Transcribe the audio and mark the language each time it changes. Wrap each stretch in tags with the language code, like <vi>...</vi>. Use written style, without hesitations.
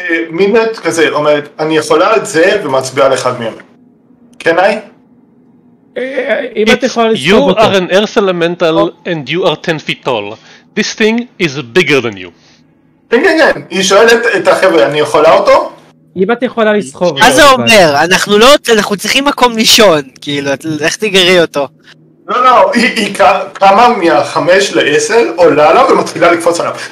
<he>מינט כזה אומרת, אני יכולה את זה ומצביע על אחד מהם.</he> <en>Can I?</en> <he>אם את יכולה לספוג אותו.</he> <en>You are an earth elemental and you are 10 feet tall. This thing is bigger than you.</en> <he>כן. היא שואלת את החבר'ה, אני יכולה אותו? אם את יכולה לסחוב. מה זה אומר? אנחנו צריכים מקום לישון, כאילו, איך תגרי אותו? לא, היא קמה מהחמש לעשר, עולה לה ומתחילה לקפוץ עליו.</he>